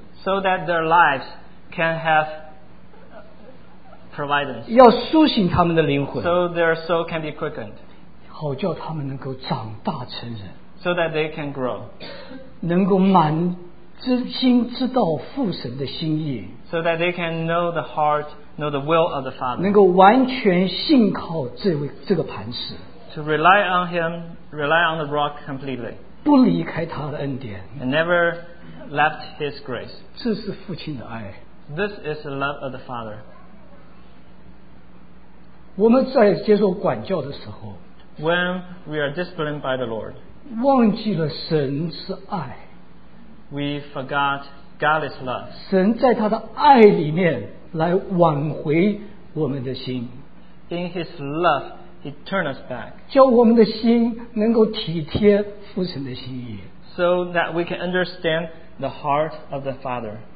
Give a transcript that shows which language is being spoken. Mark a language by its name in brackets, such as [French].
[English] so that their lives can have providence. [Chinese] 要苏醒他们的灵魂, [English] so their soul can be quickened. [Chinese] 好叫他们能够长大成人, [English] so that they can grow. [Chinese] 能够满心知道父神的心意, [English] so that they can know the heart, know the will of the Father. [Chinese] 能够完全信靠这个磐石, [English] to rely on him, rely on the rock completely. [Chinese] 不离开他的恩典, [English] and never left his grace. [Chinese] 这是父亲的爱, [English] this is the love of the Father. [Chinese] 我们在接受管教的时候, [English] when we are disciplined by the Lord, [Chinese] 忘记了神是爱, [English] we forgot God is love. [Chinese] 神在他的爱里面来挽回我们的心, [English] in his love he turned us back, [Chinese] 叫我们的心能够体贴父神的心意, [English] so that we can understand the heart of the Father.